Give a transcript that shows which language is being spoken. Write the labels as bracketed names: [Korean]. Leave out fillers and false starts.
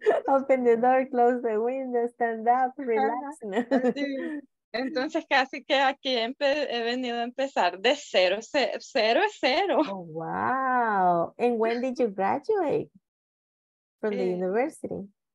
[English] Open the door, close the window, stand up, relax. [Spanish] Entonces casi que aquí he venido a empezar de cero, cero es cero. [English] Oh, wow. And when did you graduate from the university?